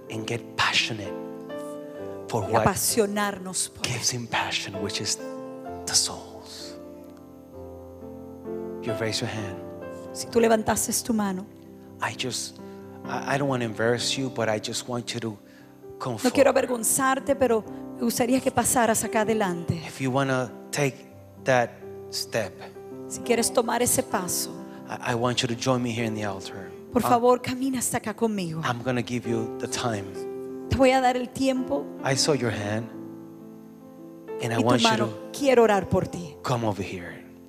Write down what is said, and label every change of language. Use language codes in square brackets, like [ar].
[en] And get passionate for what [es] apasionarnos por [en] gives him passion, which is the souls. You raise your hand. [es] Si tú levantases tu mano. [en] I don't want to embarrass you, but I just want you to come forward. [es] No quiero avergonzarte, pero me gustaría que pasaras acá adelante. [en] If you want to take that step. [es] Si quieres tomar ese paso. [en] I want you to join me here in the altar. [es] Por favor, camina hasta acá conmigo. [en] I'm going to give you the time. [es] Te voy a dar el tiempo. [en] I saw your hand. And [es] y [en] I want [es] mano, [en] you to [es] quiero orar por ti. [en] Come over here.